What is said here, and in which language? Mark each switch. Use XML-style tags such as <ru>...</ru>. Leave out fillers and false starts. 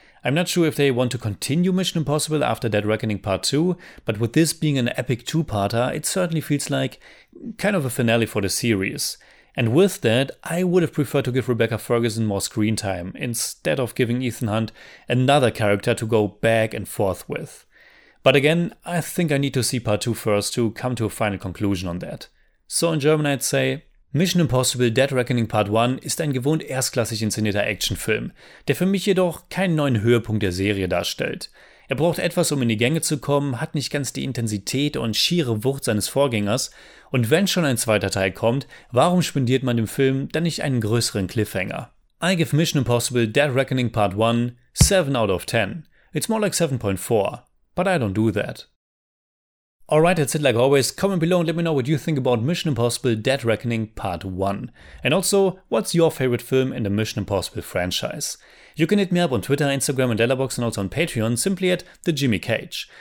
<en>I'm not sure if they want to continue Mission Impossible after Dead Reckoning Part 2, but with this being an epic two-parter, it certainly feels like kind of a finale for the series. And with that, I would have preferred to give Rebecca Ferguson more screen time, instead of giving Ethan Hunt another character to go back and forth with. But again, I think I need to see Part 2 first to come to a final conclusion on that. So in German I'd say,</en> <de>Mission Impossible Dead Reckoning Part 1 ist ein gewohnt erstklassig inszenierter Actionfilm, der für mich jedoch keinen neuen Höhepunkt der Serie darstellt. Er braucht etwas, um in die Gänge zu kommen, hat nicht ganz die Intensität und schiere Wucht seines Vorgängers, und wenn schon ein zweiter Teil kommt, warum spendiert man dem Film dann nicht einen größeren Cliffhanger?</de> <en>I give Mission Impossible Dead Reckoning Part 1 7 out of 10. It's more like 7.4, but I don't do that. Alright, that's it like always. Comment below and let me know what you think about Mission Impossible Dead Reckoning Part 1. And also, what's your favorite film in the Mission Impossible franchise? You can hit me up on Twitter, Instagram and Letterboxd and also on Patreon simply at The Jimmy Cage.</en>